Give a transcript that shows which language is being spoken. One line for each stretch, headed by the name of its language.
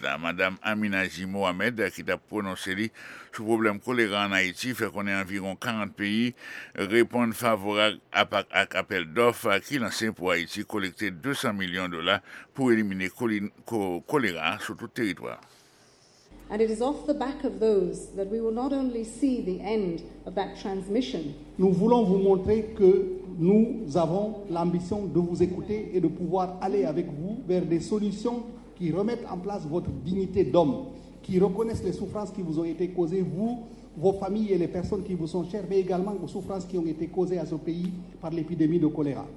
French: Là, Madame Amina J. Mohamed, qui a prononcé sur le problème choléra en Haïti, fait qu'on est environ 40 pays, répond favorable à l'appel d'offres qui lance pour Haïti collecter 200 millions de dollars pour éliminer choléra sur tout le territoire.
English: And it is off the back of those that we will not only see the end of that transmission.
French: Nous voulons vous montrer que nous avons l'ambition de vous écouter et de pouvoir aller avec vous vers des solutions qui remettent en place votre dignité d'homme, qui reconnaissent les souffrances qui vous ont été causées, vous, vos familles et les personnes qui vous sont chères, mais également aux souffrances qui ont été causées à ce pays par l'épidémie de choléra.